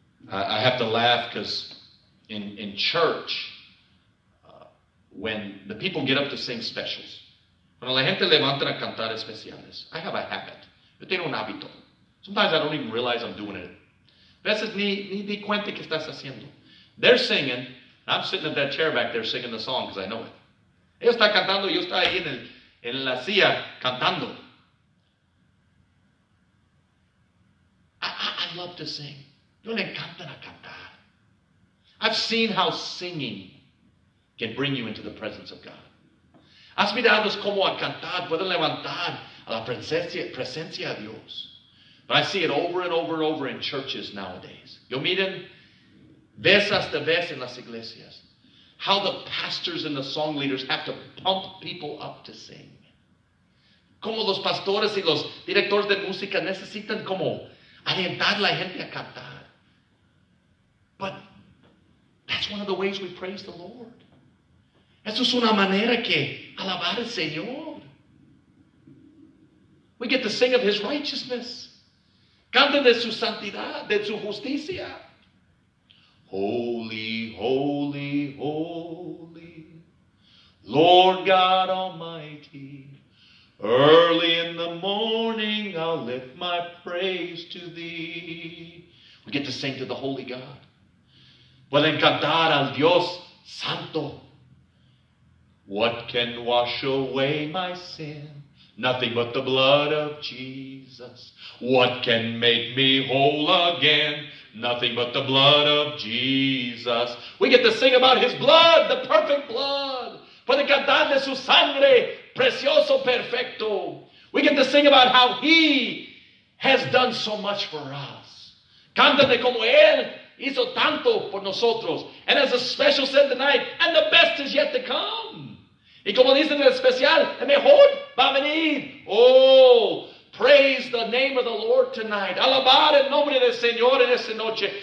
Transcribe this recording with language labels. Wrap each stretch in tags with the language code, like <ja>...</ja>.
<en>I have to laugh because in church, when the people get up to sing specials,</en> <es>cuando la gente levanta a cantar especiales,</es> <en>I have a habit.</en> <es>Yo tengo un hábito.</es> <en>Sometimes I don't even realize I'm doing it.</en> <es>Veces ni di cuenta que estás haciendo.</es> <en>They're singing, and I'm sitting at that chair back there singing the song because I know it.</en> <es>Ellos están cantando, yo estoy ahí en la silla cantando.</es> <en>I love to sing.</en> <es>Yo le encantan a cantar.</es> <en>I've seen how singing can bring you into the presence of God.</en> <es>Has mirado cómo a cantar puede levantar a la presencia de Dios.</es> <en>But I see it over and over and over in churches nowadays.</en> <es>Yo miren, ves hasta ves en las iglesias.</es> <en>How the pastors and the song leaders have to pump people up to sing.</en> <es>Cómo los pastores y los directores de música necesitan como alentar a la gente a cantar.</es> <en>But that's one of the ways we praise the Lord.</en> <es>Eso es una manera que alabar al Señor.</es> <en>We get to sing of His righteousness.</en> <es>Canta de su santidad, de su justicia.</es> <en>Holy, holy, holy, Lord God Almighty, early in the morning I'll lift my praise to Thee. We get to sing to the Holy God.</en> <es>Pueden cantar al Dios Santo.</es> <en>What can wash away my sin? Nothing but the blood of Jesus. What can make me whole again? Nothing but the blood of Jesus. We get to sing about His blood, the perfect blood.</en> <es>Pueden cantar de su sangre, precioso, perfecto.</es> <en>We get to sing about how He has done so much for us.</en> <es>Canta de como Él hizo tanto por nosotros.</es> <en>And as a special said tonight, and the best is yet to come.</en> <es>Y como dicen en especial, el mejor va a venir.</es> <en>Oh, praise the name of the Lord tonight.</en> <es>Alabar el nombre del Señor en esta noche.</es>